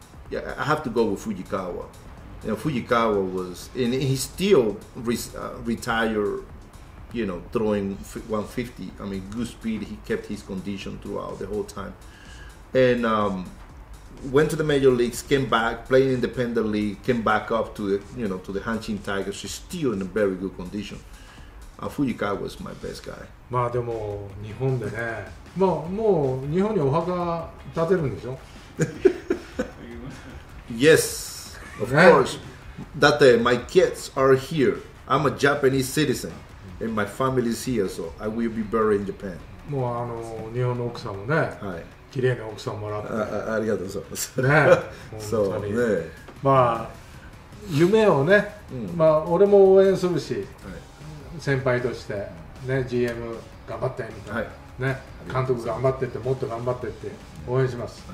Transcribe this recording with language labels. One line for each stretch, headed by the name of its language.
English: yeah, I have to go with Fujikawa. You know, Fujikawa was, and he still retired, you know, throwing 150. I mean, good speed. He kept his condition throughout the whole time. And went to the major leagues, came back, played independently, came back up to the, you know, to the Hanshin Tigers. He's still in a very good condition. Fujikawa was my best guy.
Japanese: まあでも日本でね、まあもう日本にお墓建てるんでしょ。
English: Yes, of course. だって my kids are here. I'm a Japanese citizen, and my family is here, so I will be buried in Japan.
Japanese: もうあの日本の奥さんもね、はい、綺麗な奥さんもらって、ありがとうございます。ね、そうね。まあ夢をね、まあ俺も応援するし、先輩として。ね、GM 頑張ってみたいな、はいね、監督頑張ってってもっと頑張ってって応援します、は